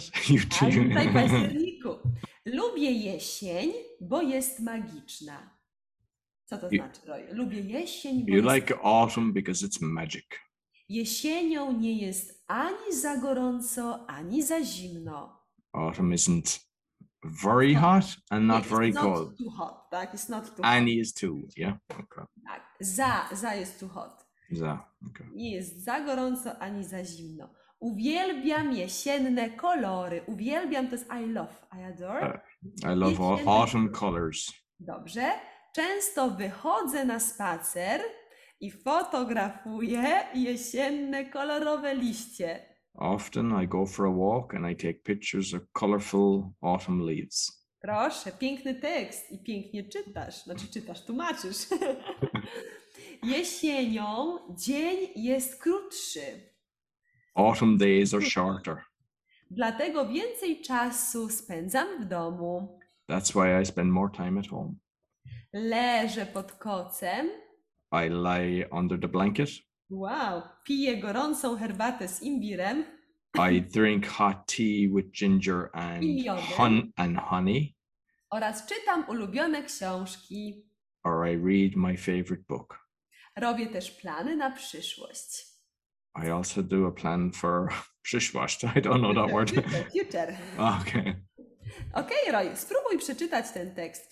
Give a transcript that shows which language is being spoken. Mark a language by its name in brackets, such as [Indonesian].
[Polish] Witaj październiku. Lubię jesień, bo jest magiczna. Co to znaczy, Roy? Lubię jesień, bo [English] You like autumn because it's magic. [Polish] Jesienią nie jest ani za gorąco, ani za zimno. [English] Autumn isn't very hot and not very cold. It's not too hot, tak? It's not too hot. Ani is too, yeah? Okay. [Polish] Tak. Za jest [English] too hot. [Polish] Za, okay. Nie jest za gorąco, ani za zimno. Uwielbiam jesienne kolory. Uwielbiam, to jest [English] I love, I adore. I love autumn colors. [Polish] Dobrze. Często wychodzę na spacer i fotografuję jesienne kolorowe liście. [English] Often I go for a walk and I take pictures of colorful autumn leaves. [Polish] Proszę, piękny tekst i pięknie czytasz. Znaczy czytasz, tłumaczysz. Jesienią dzień jest krótszy. [English] Autumn days are shorter. [Polish] Dlatego więcej czasu spędzam w domu. [English] That's why I spend more time at home. [Polish] Leżę pod kocem. [English] I lie under the blanket. [Polish] Wow, piję gorącą herbatę z imbirem. [English] I drink hot tea with ginger and honey. [Polish] Oraz czytam ulubione książki. [English] Or I read my favorite book. [Polish] Robię też plany na przyszłość. [English] I also do a plan for przyszłość. I don't know that word. Future. Okay. [Polish] Okay, Roy, spróbuj przeczytać ten tekst.